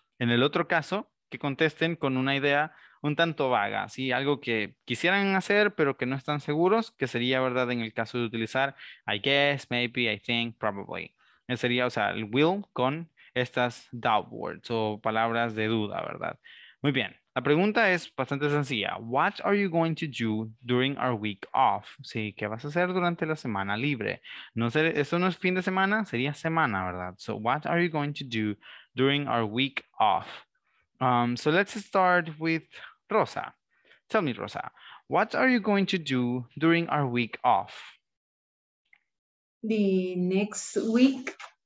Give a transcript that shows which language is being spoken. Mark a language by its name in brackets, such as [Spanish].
[Spanish] En el otro caso, que contesten con una idea un tanto vaga, ¿sí? Algo que quisieran hacer, pero que no están seguros, que sería, ¿verdad?, en el caso de utilizar [English] I guess, maybe, I think, probably. [Spanish] Ese sería, o sea, el will con estas doubt words o palabras de duda, ¿verdad? Muy bien, la pregunta es bastante sencilla. [English] What are you going to do during our week off? [Spanish] Sí, ¿qué vas a hacer durante la semana libre? No sé, eso no es fin de semana, sería semana, ¿verdad? [English] So, what are you going to do during our week off? So, let's start with Rosa. Tell me, Rosa, what are you going to do during our week off? The next week,